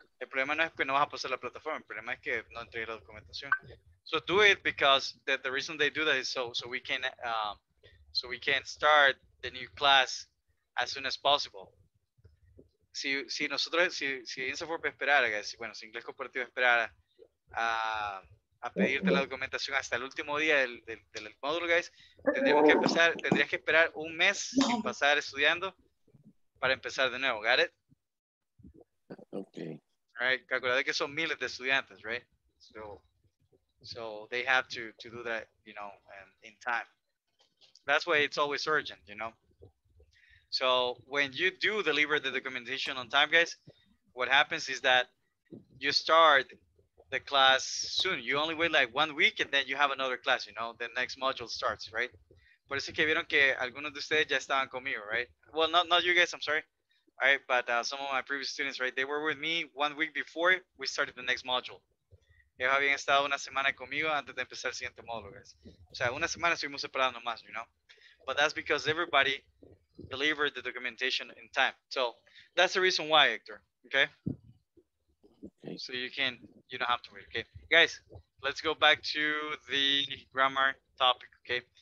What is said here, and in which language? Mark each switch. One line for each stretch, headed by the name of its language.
Spanish: El problema no es que no vas a pasar la plataforma, el problema es que no entregues la documentación.
English: So do it because the reason they do that is so we can start the new class as soon as possible.
Spanish: si nosotros, si INSAFORP esperara, guys, bueno, si Inglés Corporativo esperara a pedirte la documentación hasta el último día del módulo, guys, tendrías que esperar un mes sin pasar estudiando para empezar de nuevo,
English: got it? Okay. All right, calculado que son miles de estudiantes, right? So they have to do that, you know, in time. That's why it's always urgent, you know? So when you do deliver the documentation on time, guys, what happens is that you start the class soon. You only wait like 1 week and then you have another class, you know, the next module starts, right?
Spanish: Por eso que vieron que algunos de ustedes ya estaban conmigo, right?
English: Well, not you guys, I'm sorry. All right, but some of my previous students, right, they were with me 1 week before we started the next module.
Spanish: Ellos habían estado una semana conmigo antes de empezar el siguiente módulo, guys. O sea, una semana estuvimos separados nomás,
English: you know? But that's because everybody delivered the documentation in time. So that's the reason why, Hector, okay? So you don't have to wait, okay? Guys, let's go back to the grammar topic, okay?